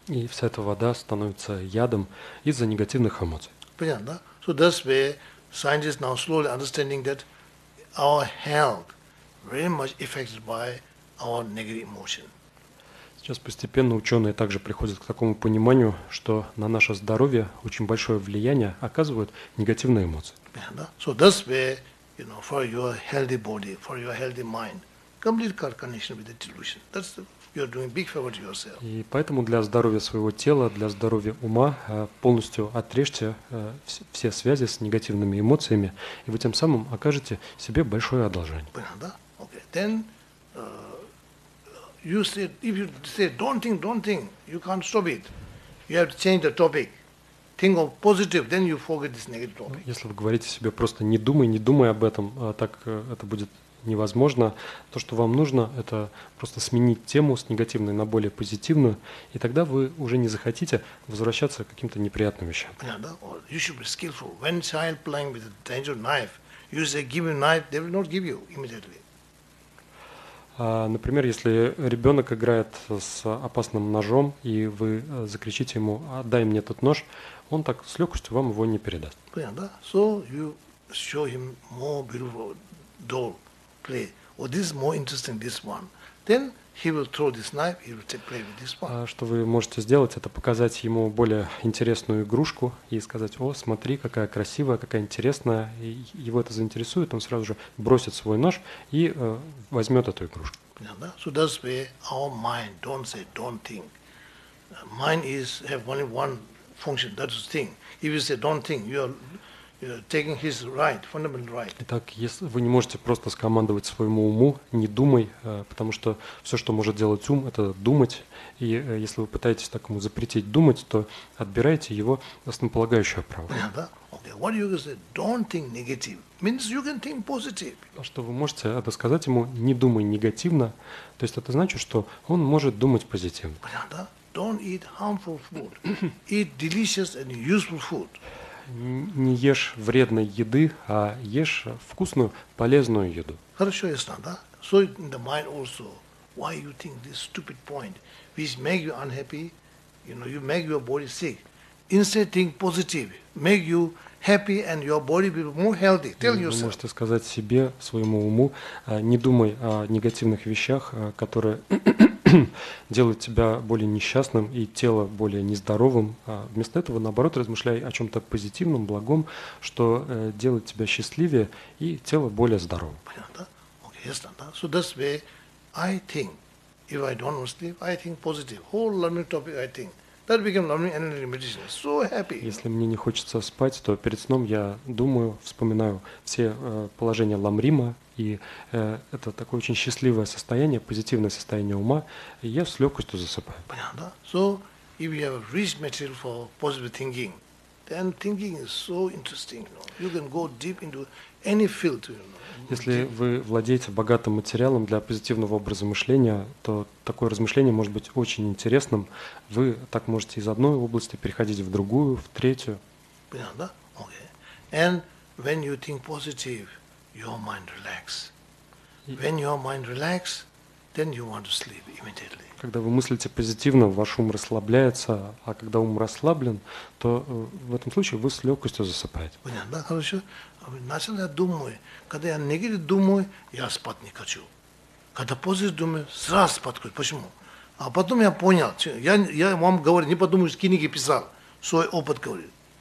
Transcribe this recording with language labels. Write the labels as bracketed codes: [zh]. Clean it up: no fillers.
[ru] И вся эта вода становится ядом из-за негативных эмоций. Понятно, да? [en] So that's why scientists now slowly understanding that our health very much affected by our negative emotion. [ru] Сейчас постепенно ученые также приходят к такому пониманию, что на наше здоровье очень большое влияние оказывают негативные эмоции. Понятно, да? [en] So that's why, you know, for your healthy body, for your healthy mind, complete connection with the delusion. That's the, you're doing big favor to yourself. [ru] И поэтому для здоровья своего тела, для здоровья ума полностью отрежьте все связи с негативными эмоциями, и вы тем самым окажете себе большое одолжение. Понятно, да? Okay. [en] Then you said, if you say don't think, you can't stop it. You have to change the topic. Think of positive, then you forget this negative topic. [ru] Если вы говорите себе просто не думай об этом, так это будет невозможно. То, что вам нужно, это просто сменить тему с негативной на более позитивную, и тогда вы уже не захотите возвращаться к каким-то неприятным вещам. Понятно? [en] You should be skillful. When child playing with a dangerous knife, you say give me knife, they will not give you immediately. [ru] Например, если ребенок играет с опасным ножом, и вы закричите ему «дай мне этот нож», он так с легкостью вам его не передаст. Понятно, да? [en] So you show him more beautiful doll, play. Oh, this is more interesting, this one. Then he will throw this knife, he will play with this one. [ru] Что вы можете сделать, это показать ему более интересную игрушку и сказать, о, смотри, какая красивая, какая интересная. И его это заинтересует, он сразу же бросит свой нож и возьмет эту игрушку. Понятно, да? [en] So that's where our mind, don't say, don't think. Mind is have only one function, that's the thing. If you say don't think, taking his right, fundamental right. [ru] Итак, если вы не можете просто скомандовать своему уму, не думай, потому что все, что может делать ум, это думать. И если вы пытаетесь так ему запретить думать, то отбираете его основополагающее право. [en] What you can say, don't think negative, means you can think positive. [ru] Что вы можете это сказать ему, не думай негативно, то есть это значит, что он может думать позитивно. [en] Don't eat harmful food. Eat delicious and useful food. [ru] Не ешь вредной еды, а ешь вкусную, полезную еду. Хорошо, ясно, да? [en] So in the mind also, why you think this stupid point, which make you unhappy, you know, you make your body sick. Instead, think positive, make you happy and your body will be more healthy. Tell yourself. [ru] Вы можете сказать себе, своему уму, не думай о негативных вещах, которые делают тебя более несчастным и тело более нездоровым. Вместо этого, наоборот, размышляй о чем-то позитивном, благом, что делает тебя счастливее и тело более здоровым. Понятно? [en] Okay, yes, so that's way I think. If I don't want to sleep, I think positive. Whole learning topic, I think. That became learning and meditation. So happy. [ru] Если мне не хочется спать, то перед сном я думаю, вспоминаю все положения ламрима, и это такое очень счастливое состояние, позитивное состояние ума, и я с легкостью засыпаю. Понятно, да? [en] So, if you have rich material for positive thinking, then thinking is so interesting, you know. You can go deep into any field, you know. [ru] Если вы владеете богатым материалом для позитивного образа мышления, то такое размышление может быть очень интересным. Вы так можете из одной области переходить в другую, в третью. Понятно, да? Okay. [en] And when you think positive, your mind relax. When your mind relax, then you want to sleep immediately. [ru] Когда вы мыслите позитивно, ваш ум расслабляется, а когда ум расслаблен, то в этом случае вы с легкостью засыпаете. Понятно, да? Хорошо. Начал я думаю, когда я негатив думаю, я спать не хочу. Когда позже думаю, сразу спать хочу. Почему? А потом я понял, я вам говорю, не подумаю, из книги писал, свой опыт говорит.